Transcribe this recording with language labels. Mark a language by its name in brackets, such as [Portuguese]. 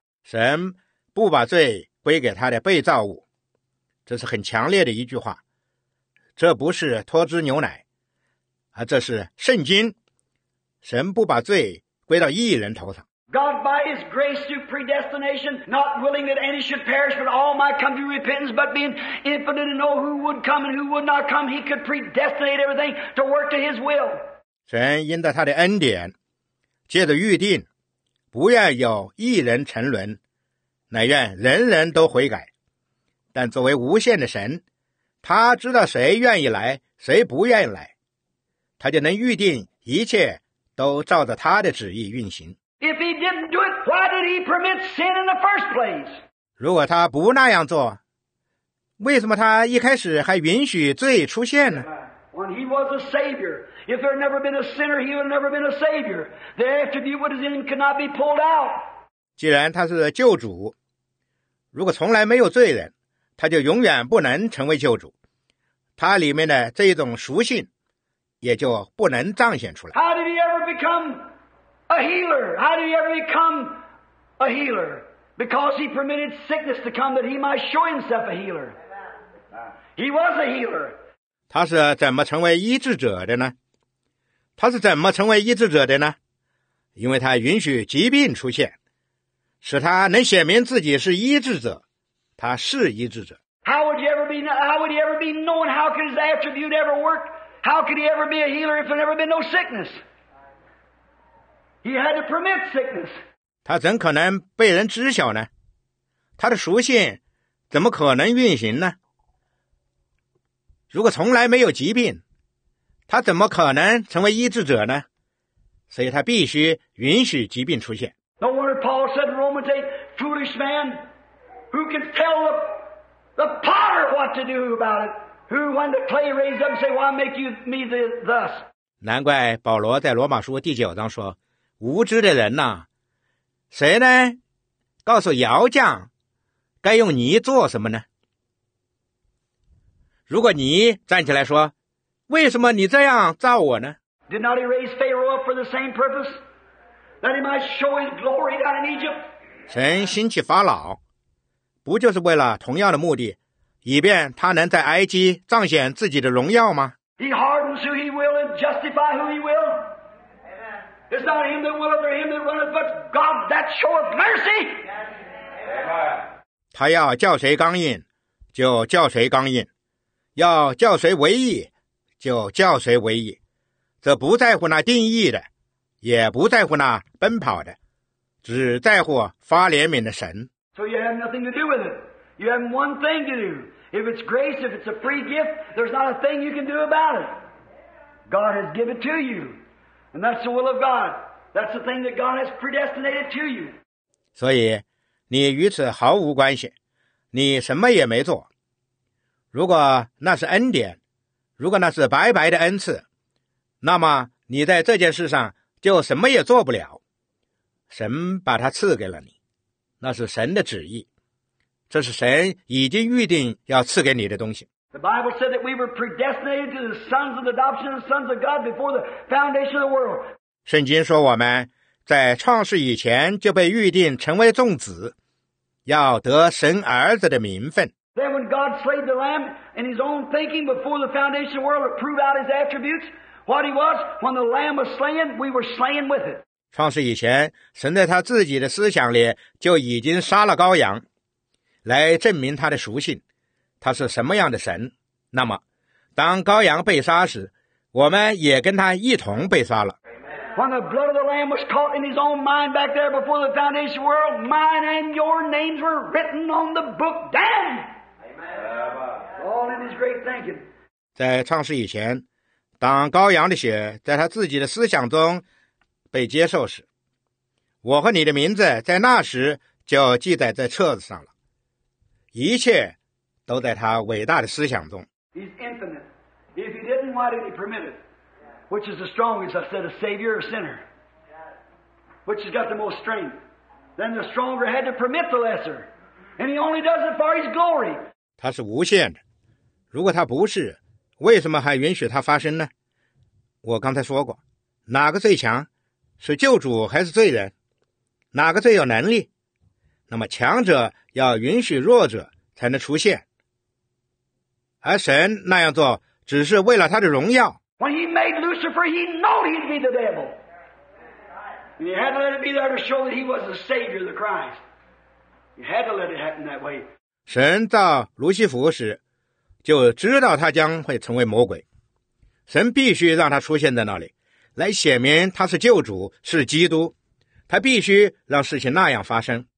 [Chinese] 神不把罪归给他的被造物，这是很强烈的一句话。这不是脱脂牛奶，而这是圣经。神不把罪归到义人头上。 [English] God by his grace through predestination, not willing that any should perish, but all might come to repentance, but being infinite and know who would come and who would not come, he could predestinate everything to work to his will. [Chinese] 神因着他的恩典，借着预定，不愿有义人沉沦，乃愿人人都悔改。但作为无限的神，他知道谁愿意来，谁不愿意来，他就能预定一切都照着他的旨意运行。 [English] If he didn't do it, why did he permit sin in the first place? [Chinese] 如果他不那样做，为什么他一开始还允许罪出现呢？ [English] When he was a savior, if there had never been a sinner, he would have never been a savior. The attribute what is in him could not be pulled out. [Chinese] 既然他是救主，如果从来没有罪人，他就永远不能成为救主。他里面的这一种属性也就不能彰显出来。 [English] How did he ever become a healer? How did he ever become a healer? Because he permitted sickness to come that he might show himself a healer. He was a healer. [Chinese] 他是怎么成为医治者的呢？他是怎么成为医治者的呢？因为他允许疾病出现，使他能显明自己是医治者，他是医治者。 [English] How would he ever be known? How could his attribute ever work? How could he ever be a healer if there never been no sickness? He had to permit sickness. [Chinese] 他怎可能被人知晓呢？他的属性怎么可能运行呢？如果从来没有疾病，他怎么可能成为医治者呢？所以他必须允许疾病出现。 [English] No wonder Paul said in Romans 8, foolish man, who can tell the potter what to do about it? Who, when the clay raised up, say, why make you me thus? [Chinese] 难怪保罗在罗马书第九章说，无知的人呐，谁呢告诉窑匠该用泥做什么呢？如果你站起来说，为什么你这样造我呢？ [English] Did not he raise Pharaoh up for the same purpose? That he might show his glory down in Egypt? [Chinese] 神兴起法老，不就是为了同样的目的，以便他能在埃及彰显自己的荣耀吗？ [English] He hardens who he will and justify who he will. It's not him that willeth or him that runneth, but God that showeth mercy. [Chinese] 他要叫谁刚硬，就叫谁刚硬。要叫谁为义，就叫谁为义，这不在乎那定义的，也不在乎那奔跑的，只在乎发怜悯的神。 [English] So you have nothing to do with it. You have one thing to do. If it's grace, if it's a free gift, there's not a thing you can do about it. God has given it to you, and that's the will of God. That's the thing that God has predestinated to you. [Chinese] 所以，你与此毫无关系，你什么也没做。如果那是恩典，如果那是白白的恩赐，那么你在这件事上就什么也做不了。神把它赐给了你，那是神的旨意，这是神已经预定要赐给你的东西。 [English] The Bible said that we were predestinated to the sons of adoption, the sons of God before the foundation of the world. [Chinese] 圣经说我们在创世以前就被预定成为众子，要得神儿子的名分。 [English] Then when God slayed the lamb in his own thinking before the foundation of the world to prove out his attributes, what he was, when the lamb was slain, we were slain with it. [Chinese] 创世以前，神在他自己的思想里就已经杀了羔羊，来证明他的属性，他是什么样的神。那么，当羔羊被杀时，我们也跟他一同被杀了。 [English] When the blood of the lamb was caught in his own mind back there before the foundation of the world, mine and your names were written on the book down. All in his great thinking. [Chinese] 在创世以前，当羔羊的血在他自己的思想中被接受时，我和你的名字在那时就记载在册子上了。一切都在他伟大的思想中。 [English] He's infinite. If he didn't, why did he permit it? Which is the strongest? I said, a savior or a sinner? Which has got the most strength? Then the stronger had to permit the lesser, and he only does it for his glory. [Chinese] 他是无限的。如果他不是，为什么还允许他发生呢？我刚才说过，哪个最强，是救主还是罪人？哪个最有能力？那么强者要允许弱者才能出现，而神那样做只是为了他的荣耀。 [English] When he made Lucifer, he knew he'd be the devil. And he had to let it be there to show that he was the Savior, the Christ. He had to let it happen that way. [Chinese] 神造卢西弗时就知道他将会成为魔鬼，神必须让他出现在那里，来显明他是救主，是基督。他必须让事情那样发生。